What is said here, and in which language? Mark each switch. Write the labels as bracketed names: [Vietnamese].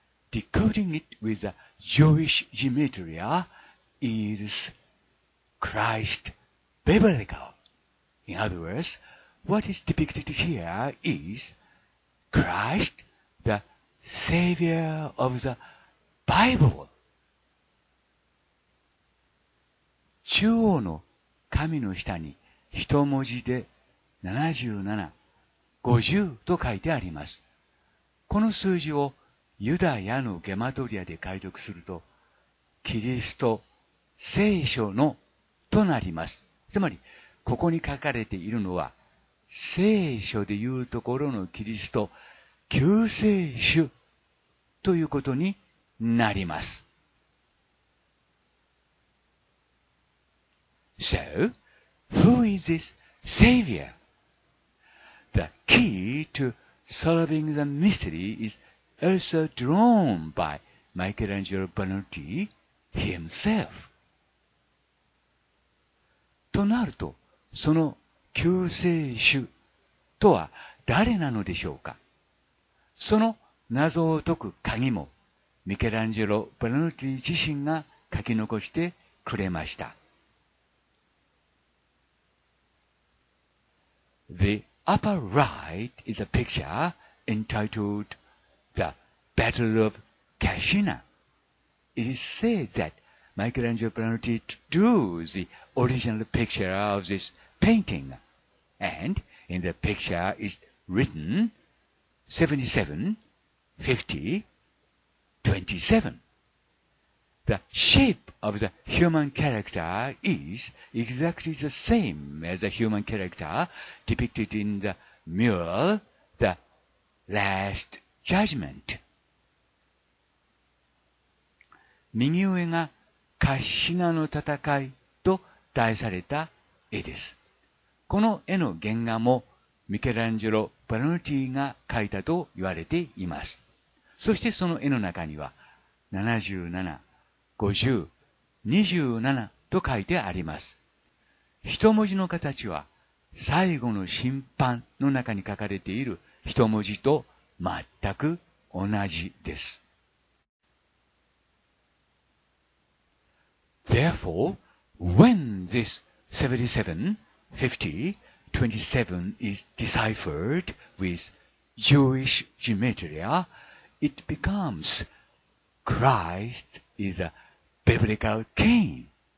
[English] Decoding it with the Jewish gematria is Christ biblical. In other words, what is depicted here is Christ, the Savior of the Bible. [Japanese] 中央の紙の下に一文字で77-50と書いてあります。この数字をユダヤのゲマトリアで解読すると、キリスト、聖書のとなります。つまり、ここに書かれているのは、聖書でいうところのキリスト、救世主ということになります。 [English] So, who is this Savior? The key to solving the mystery is also drawn by Michelangelo Bonotti himself. [Japanese] となると、その救世主とは誰なのでしょうか。その謎を解く鍵もミケランジェロ・ボナルティ自身が書き残してくれました。 [English] The upper right is a picture entitled The Battle of Cascina. It is said that Michelangelo Bonotti drew the original picture of this painting, and in the picture is written 77, 50, 27. The shape of the human character is exactly the same as the human character depicted in the mural, The Last Judgment. [Japanese] 右上がカッシナの戦いと題された絵です。この絵の原画もミケランジェロ・ボナルティが描いたと言われています。そしてその絵の中には77、50、27と書いてあります。一文字の形は最後の審判の中に書かれている一文字と全く同じです。 [English] Therefore, when this 77, 50, 27 is deciphered with Jewish gematria, it becomes Christ is a biblical king.